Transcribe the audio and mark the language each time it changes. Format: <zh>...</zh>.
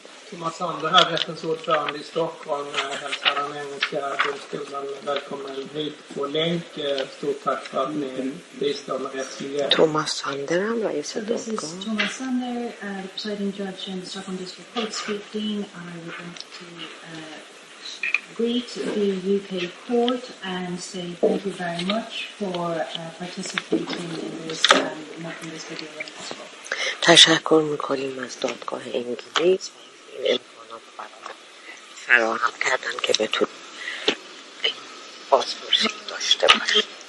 <sv>Thomas Sandberg här, rättens ordförande i Stockholm, hälsar den engelska domstolen välkommen hit på länk. Stort tack för att ni bistår med rättsmiljö. Thomas Sandberg, han var i Stockholm.</sv> <en>This is Thomas Sandberg, the presiding judge in Stockholm District Court speaking. I would like to greet the UK court and say thank you very much for participating in this making this video possible.</en> <fa>تشکر میکنیم از دادگاه انگلیس و این امکانات برای فراهم کردن که بتونیم بازپرسی داشته باشیم.</fa>